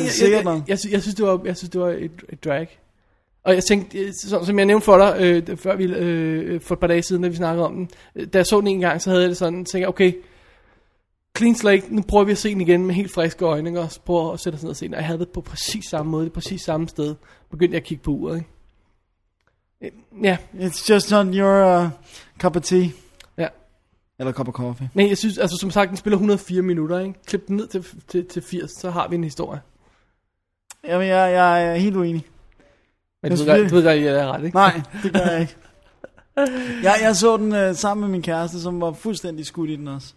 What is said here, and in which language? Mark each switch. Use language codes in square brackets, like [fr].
[da] jeg synes, det var, jeg synes, det var et drag. Og jeg tænkte, som jeg nævnte for dig, før vi, for et par dage siden, da vi snakkede om den. Da jeg så den en gang, så havde jeg det sådan, tænkte okay... [en] Clean slate, [da] nu prøver vi at se den igen med helt friske øjne, og så prøver at sætte os ned og se den. Jeg havde det på præcis samme måde, det præcis samme sted, begyndte jeg at kigge på uret, ikke? Ja. [en] It's just not your cup of tea. [da] Ja. Eller [en] cup of coffee. [da] Nej, jeg synes, altså som sagt, den spiller 104 minutter, ikke? Klip den ned til 80, så har vi en historie. Jamen, jeg er helt uenig. Men du ved godt, jeg er ret, ikke? Nej, det gør jeg ikke. Jeg så den sammen med min kæreste, som var fuldstændig skudt i den også.